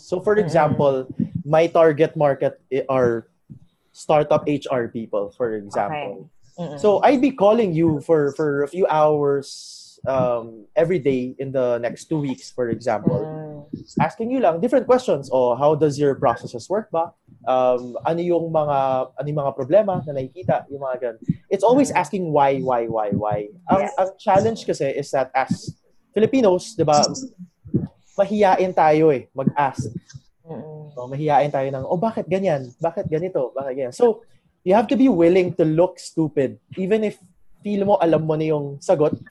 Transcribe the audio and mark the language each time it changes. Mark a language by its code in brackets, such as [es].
[en] So for example, my target market are startup HR people, for example. Okay. So I'd be calling you for a few hours every day in the next 2 weeks, for example. Asking you lang different questions. Oh, how does your processes work ba? [tl] ano yung mga problema na nakikita, yung mga ganun. [en] It's always asking why. Ang challenge kasi is that as Filipinos, 'di ba? [tl] Mahihiyain tayo eh mag-ask. So, mahihiyain tayo ng, "Oh, bakit ganyan? Bakit ganito? Bakit ganyan?" [en] So, you have to be willing to look stupid even if [tl] feel mo alam mo na yung sagot.